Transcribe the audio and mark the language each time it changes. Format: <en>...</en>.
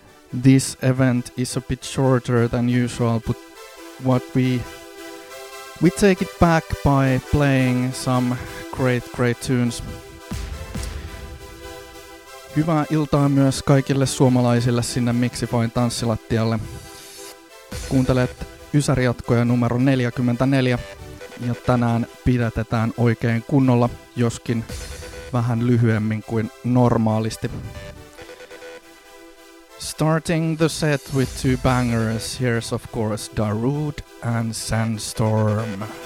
<en>This event is a bit shorter than usual, but what we take it back by playing some great, great tunes.</en> <fi>Hyvää iltaa myös kaikille suomalaisille sinne Mixifyn tanssilattialle. Kuuntelet Ysärijatkoja numero 44. Ja tänään pidätetään oikein kunnolla, joskin vähän lyhyemmin kuin normaalisti.</fi> <en>Starting the set with two bangers, here's of course Darud and Sandstorm.</en>